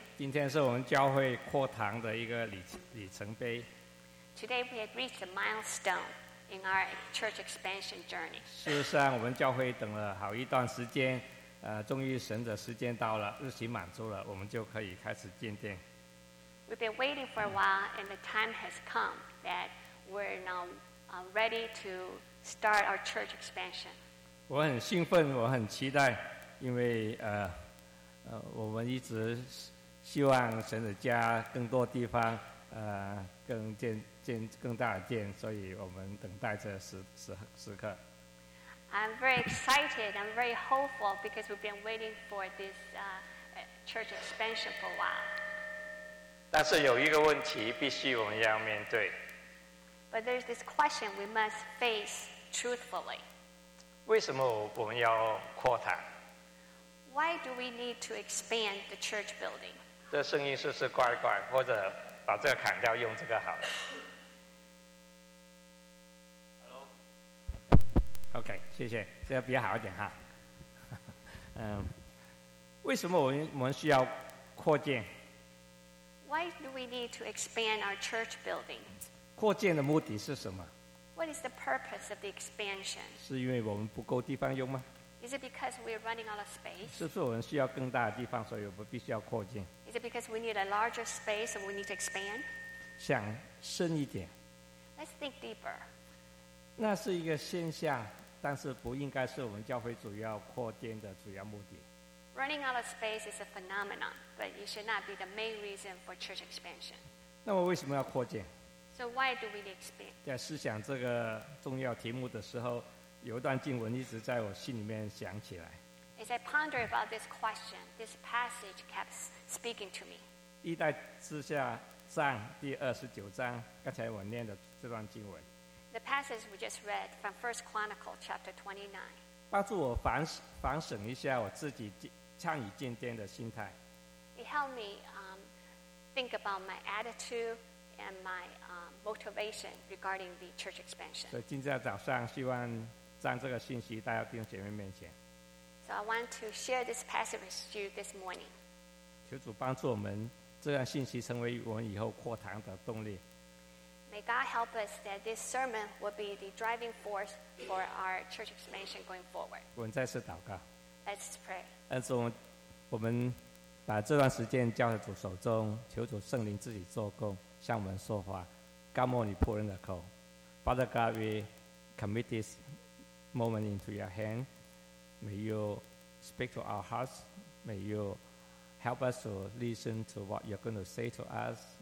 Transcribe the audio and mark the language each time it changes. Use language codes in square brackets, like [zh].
[zh] 今天是我们教会扩堂的一个里程碑。 [en] Today we have reached a milestone in our church expansion journey. [zh] 事实上，我们教会等了好一段时间，终于神的时间到了，日期满足了，我们就可以开始建殿。 [en] We've been waiting for a while, and the time has come that we're now ready to start our church expansion. [zh] 我很兴奋，我很期待，因为我们一直希望神的家更多地方更大的殿，所以我们等待着时刻。 [en] I'm very excited. I'm very hopeful because we've been waiting for this church expansion for a while. [zh] 但是有一个问题必须我们要面对。 [en] But there's this question we must face truthfully. [zh] 为什么我们要扩堂 [en] ？Why do we need to expand the church building？ [zh] 这声音是不是怪怪？或者把这个砍掉，用这个好了 [en] ？Hello。 [zh] OK， 谢谢，这样比较好一点哈。为什么我们需要扩建 [en] ？Why do we need to expand our church building？ [zh] 扩建的目的是什么？ [en] What is the purpose of the expansion? [zh] 是因为我们不够地方用吗？ [en] Is it because we're running out of space? [zh] 是不是我们需要更大的地方，所以我们必须要扩建？ [en] Is it because we need a larger space and we need to expand? [zh] 想深一点。 [en] Let's think deeper. [zh] 那是一个现象，但是不应该是我们教会主要扩建的主要目的。 [en] Running out of space is a phenomenon, but it should not be the main reason for church expansion. [zh] 那么为什么要扩建？ [en] So why do we expand? [zh] 在思想这个重要题目的时候，有一段经文一直在我心里面想起来。 [en] As I ponder about this question, this passage kept speaking to me. [zh] 历代志下上第二十九章，刚才我念的这段经文。 [en] The passage we just read from First Chronicles chapter 29. [zh] 帮助我反省一下我自己参与建殿的心态。 [en] It helped me think about my attitude. And my motivation regarding the church expansion. [zh] 所以今天早上希望将这个信息带到弟兄姐妹面前。 [en] So I want to share this passage with you this morning. [zh] 求主帮助我们，这样信息成为我们以后扩堂的动力。 [en] May God help us that this sermon will be the driving force for our church expansion going forward. [zh] 我们再次祷告。 [en] Let's pray. [zh] 但是我们把这段时间交在主手中，求主圣灵自己做工。向我们说话，甘冒你仆人的口。 [en] Father God, we commit this moment into your hand. May you speak to our hearts. May you help us to listen to what you're going to say to us.